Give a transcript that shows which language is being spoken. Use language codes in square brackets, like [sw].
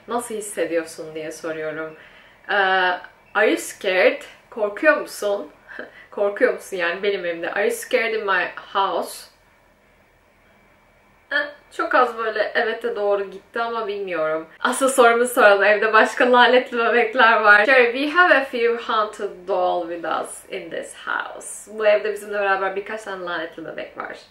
[tr] Nasıl hissediyorsun diye soruyorum. [en] Are you scared? [tr] Korkuyor musun? Korkuyor musun yani benim evimde? [en] Are you scared in my house? [tr] Çok az böyle evete doğru gitti ama bilmiyorum. Asıl sorumu soralım. Evde başka lanetli bebekler var. [en] Sherry, we have a few haunted doll with us in this house. [tr] Bu evde bizimle beraber birkaç tane lanetli bebek var.